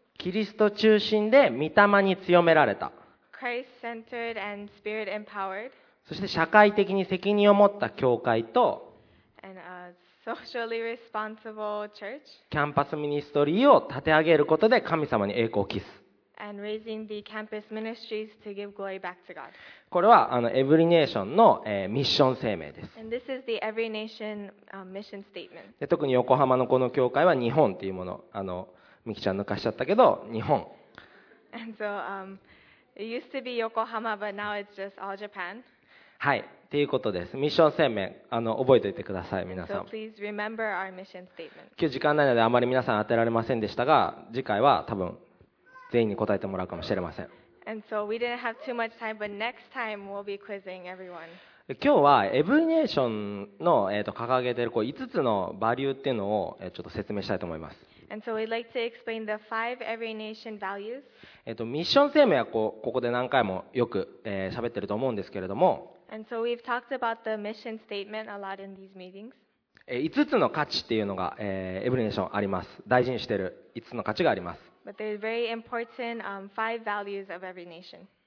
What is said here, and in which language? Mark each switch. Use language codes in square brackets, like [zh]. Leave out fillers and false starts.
[ja] キリスト中心で御霊に強められた。 [en] Christ-centered and Spirit-empowered. [ja] そして社会的に責任を持った教会と、 [en] socially responsible church、 [ja] キャンパスミニストリーを立て上げることで神様に栄光を期す。 [en] And raising the campus ministries to give glory back to God. [ja] これはエブリネーションの、ミッション声明です。 [en] And this is the every nation, mission statement. [ja] で特に横浜のこの教会は日本というもの、ミキちゃん抜かしちゃったけど、日本。 [en] And so, it used to be Yokohama, but now it's just all Japan. [ja] はい、ということです。ミッション声明、覚えておいてください、皆さん。 [en] Please remember our mission statement. [ja] 今日時間ないのであまり皆さん当てられませんでしたが、次回は多分全員に答えてもらうかもしれません。 [en] And so we didn't have too much time, but next time we'll be quizzing everyone. [ja] 今日はエブリネーションの、掲げているこう5つのバリューっていうのを、ちょっと説明したいと思います。 [en] And so we'd like to explain the five every nation values. [ja] ミッション声明はここで何回もよく、喋ってると思うんですけれども、 [en] And so we've talked about the mission statement a lot in these meetings. [ja] 5つの価値っていうのが、エブリネーションあります。大事にしている5つの価値があります。 [en] But they're very important, five values of every nation.